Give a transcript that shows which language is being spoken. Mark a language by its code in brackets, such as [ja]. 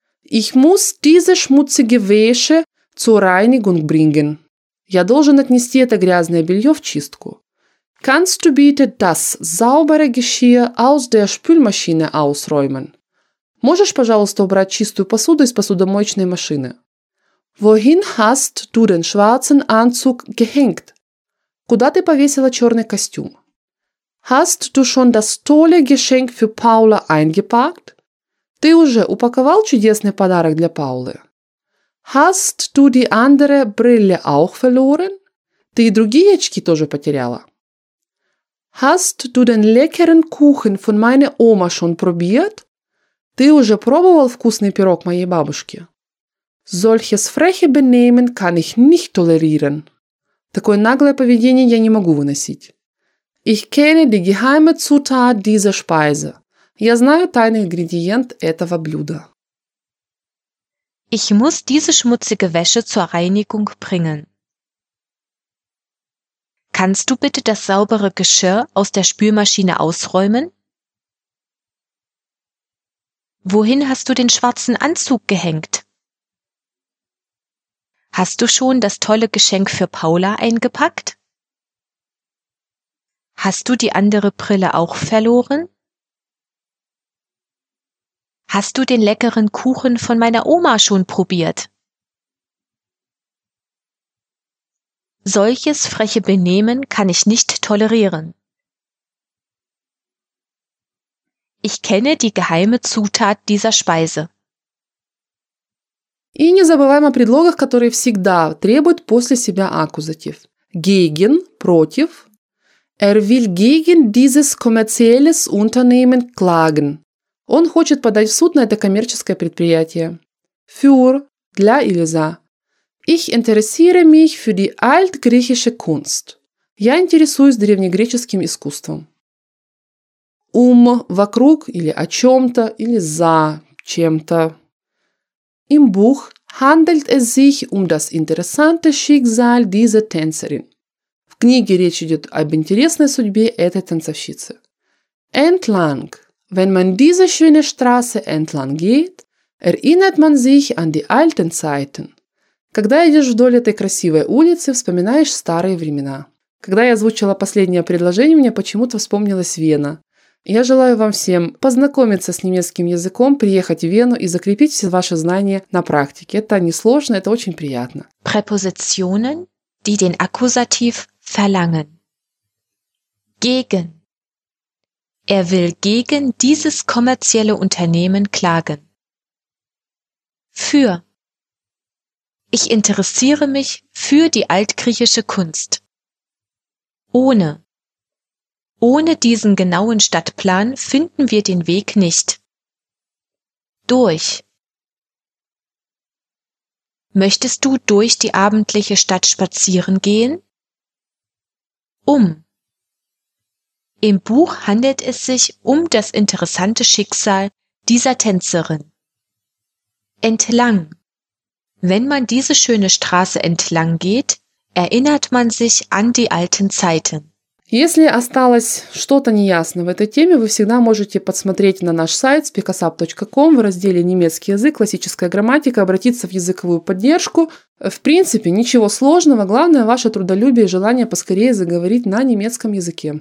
[de] Ich muss diese schmutzige Wäsche zur Reinigung bringen. [ru] Я должен отнести это грязное белье в чистку. [de] Kannst du bitte das saubere Geschirr aus der Spülmaschine ausräumen? [ru] Можешь, пожалуйста, убрать чистую посуду из посудомоечной машины? [de] Wohin hast du den schwarzen Anzug gehängt? [ru] Куда ты повесила черный костюм? [de] Hast du schon das tolle Geschenk für Paula eingepackt? [ru] Ты уже упаковал чудесный подарок для Паулы? [de] Hast du die andere Brille auch verloren? [ru] Ты и другие очки тоже потеряла? [de] Hast du den leckeren Kuchen von meiner Oma schon probiert? [ru] Ты уже пробовал вкусный пирог моей бабушки? [de] Solches freche Benehmen kann ich nicht tolerieren. [ru] Такое наглое поведение я не могу выносить. [de] Ich kenne die geheime Zutat dieser Speise. [ru] Я знаю тайный ингредиент этого блюда. [de] Ich muss diese schmutzige Wäsche zur Reinigung bringen. Kannst du bitte das saubere Geschirr aus der Spülmaschine ausräumen? Wohin hast du den schwarzen Anzug gehängt? Hast du schon das tolle Geschenk für Paula eingepackt? Hast du die andere Brille auch verloren? Hast du den leckeren Kuchen von meiner Oma schon probiert? Solches freche Benehmen kann ich nicht tolerieren. Ich kenne die geheime Zutat dieser Speise. [ru] И не забываем о предлогах, которые всегда требуют после себя аккузатив. [de] Gegen – против. Will gegen dieses kommerzielles Unternehmen klagen. [ru] Он хочет подать в суд на это коммерческое предприятие. Für – для или за. [de] Ich interessiere mich für die altgriechische Kunst. [ru] Я интересуюсь древнегреческим искусством. Вокруг или о чем-то, или за чем-то. [de] Im Buch handelt es sich das interessante Schicksal dieser Tänzerin. [ru] В книге речь идет об интересной судьбе этой танцовщицы. [de] Entlang. Wenn man diese schöne Straße entlang geht, erinnert man sich an die alten Zeiten. [ru] Когда идешь вдоль этой красивой улицы, вспоминаешь старые времена. Когда я озвучила последнее предложение, мне почему-то вспомнилась Вена. Я желаю вам всем познакомиться с немецким языком, приехать в Вену и закрепить все ваши знания на практике. Это несложно, это очень приятно. [de] Präpositionen, die den Akkusativ verlangen. Gegen. Will gegen dieses kommerzielle Unternehmen klagen. Für. Ich interessiere mich für die altgriechische Kunst. Ohne. Ohne diesen genauen Stadtplan finden wir den Weg nicht. Durch. Möchtest du durch die abendliche Stadt spazieren gehen? Im Buch handelt es sich das interessante Schicksal dieser Tänzerin. Entlang. Wenn man diese schöne Straße entlang geht, erinnert man sich an die alten Zeiten. [ru] Если осталось что-то неясно в этой теме, вы всегда можете подсмотреть на наш сайт speakusup.com в разделе «Немецкий язык. Классическая грамматика», обратиться в языковую поддержку. В принципе, ничего сложного. Главное – ваше трудолюбие и желание поскорее заговорить на немецком языке.